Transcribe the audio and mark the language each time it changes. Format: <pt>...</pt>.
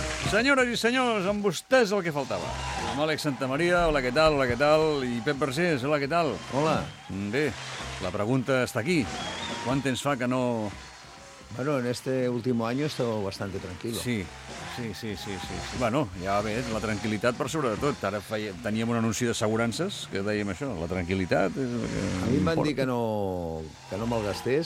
<ca>Senyores i senyors, amb vostès el que faltava. Amb Àlex Santamaria, hola, què tal, hola, què tal? I Pep Vergés, hola, què tal? Hola. Bé, la pregunta està aquí. Quant temps fa que no...</ca> <es>Bueno, en este último año he estado bastante tranquilo. Sí, sí, sí, sí, sí, sí.</es> <ca>Bueno, ja va bé, la tranquil·litat per sobre de tot. Ara teníem un anunci d'assegurances, que dèiem això, la tranquil·litat... És el que a mi em van dir que no me'l gastés.</ca>